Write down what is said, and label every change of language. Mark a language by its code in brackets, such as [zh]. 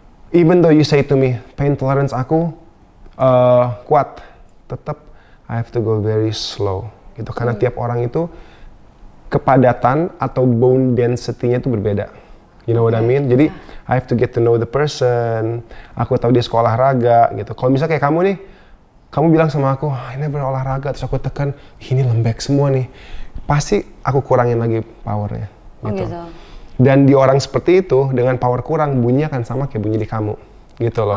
[en] Even though you say to me, pain tolerance [id] aku kuat. Tetap, [en] I have to go very slow. [id] Gitu, karena tiap orang itu kepadatan atau bone density-nya itu berbeda. [en] You know what I mean? [id] Jadi, [en] I have to get to know the person. [id] Aku tahu dia sekolah raga, gitu. Kalau misalnya kayak kamu nih, kamu bilang sama aku, ah, ini berolahraga, terus aku tekan, ini lembek semua nih. Pasti aku kurangin lagi powernya. Gitu. Oh, gitu. Dan di orang seperti itu, dengan power kurang, bunyinya akan sama kayak bunyi di kamu. Gitu loh.